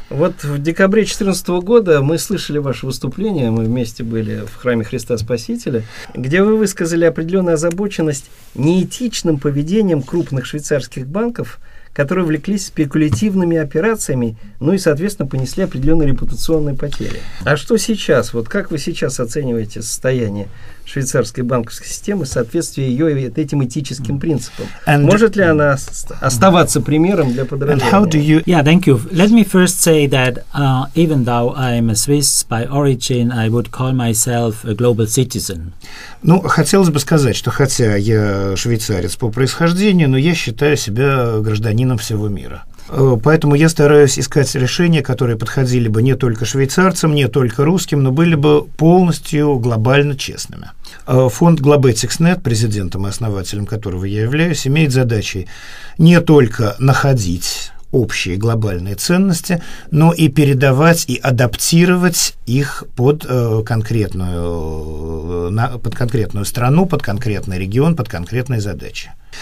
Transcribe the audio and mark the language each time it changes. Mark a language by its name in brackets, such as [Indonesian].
[Russian] Вот в декабре 2014 года мы слышали ваше выступление, мы вместе были в Храме Христа Спасителя, где вы высказали определенную озабоченность неэтичным поведением крупных швейцарских банков, которые увлеклись спекулятивными операциями, ну и, соответственно, понесли определенные репутационные потери. А что сейчас? Вот как вы сейчас оцениваете состояние швейцарской банковской системы в соответствии ее и этим этическим принципам? And может ли она оставаться примером для подражания? [English] And how do you... Yeah, thank you. Let me first say that even though I am a Swiss by origin, I would call myself a global citizen. [Russian] Ну, хотелось бы сказать, что хотя я швейцарец по происхождению, но я считаю себя гражданином всего мира. Поэтому я стараюсь искать решения, которые подходили бы не только швейцарцам, не только русским, но были бы полностью глобально честными. Фонд GlobeticsNet, президентом и основателем которого я являюсь, имеет задачи не только находить общие глобальные ценности, но и передавать и адаптировать их под конкретную страну, под конкретный регион, под конкретные задачи.